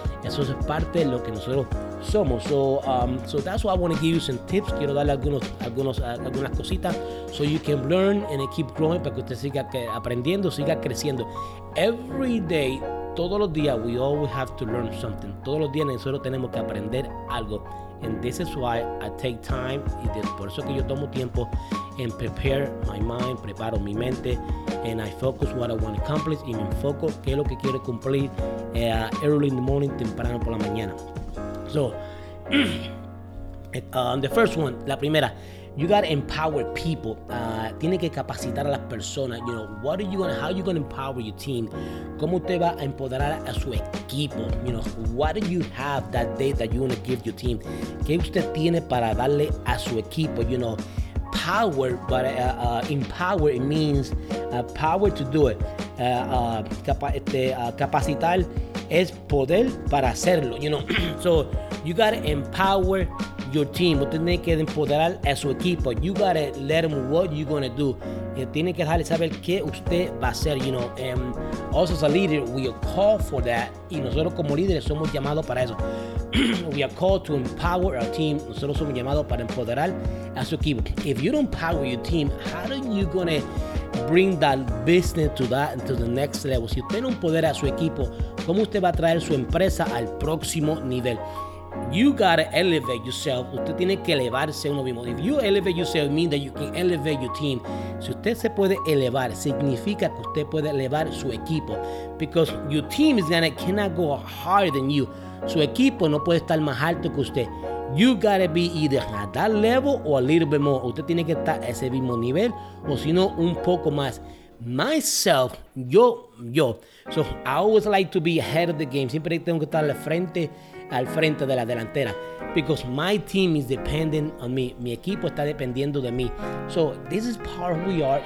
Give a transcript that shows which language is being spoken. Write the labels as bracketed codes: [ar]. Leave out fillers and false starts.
[es] Eso es parte de lo que nosotros somos. [en] So that's why I want to give you some tips. [es] Quiero darle algunas cositas [en] so you can learn and keep growing, [es] para que usted siga aprendiendo, siga creciendo. [en] Every day, [es] todos los días, [en] we always have to learn something. [es] Todos los días nosotros tenemos que aprender algo. [en] And this is why I take time. [es] Y por eso que yo tomo tiempo [en] and prepare my mind, [es] preparo mi mente, [en] and I focus what I want to accomplish, [es] y me enfoco qué es lo que quiero cumplir [en] early in the morning, [es] temprano por la mañana. [en] So, the first one, [es] la primera, [en] you got to empower people. [es] Tiene que capacitar a las personas. [en] You know, how are you going to empower your team? [es] ¿Cómo usted va a empoderar a su equipo? [en] You know, what do you have that day that you want to give your team? [es] ¿Qué usted tiene para darle a su equipo? [en] You know, power, but empower, it means power to do it. [es] Capacitar es poder para hacerlo, [en] you know. So you gotta empower your team. [es] Usted tiene que empoderar a su equipo. [en] You gotta let them what you're gonna do. [es] Tiene que dejarle saber qué usted va a hacer, [en] you know. And also as a leader, we are called for that. [es] Y nosotros como líderes somos llamados para eso. [en] We are called to empower our team. [es] Nosotros somos llamados para empoderar a su equipo. [en] If you don't empower your team, how are you gonna bring that business to the next level? [es] Si usted no empodera a su equipo, ¿cómo usted va a traer su empresa al próximo nivel? [en] You gotta elevate yourself. [es] Usted tiene que elevarse uno mismo. [en] If you elevate yourself, means that you can elevate your team. [es] Si usted se puede elevar, significa que usted puede elevar su equipo. [en] Because your team cannot go higher than you. [es] Su equipo no puede estar más alto que usted. [en] You gotta be either at that level or a little bit more. [es] Usted tiene que estar a ese mismo nivel, o si no, un poco más. [en] Myself, [es] yo. [en] So I always like to be ahead of the game. [es] Siempre tengo que estar al frente de la delantera, [en] because my team is dependent on me. [es] Mi equipo está dependiendo de mí. [en] So this is part of who we are.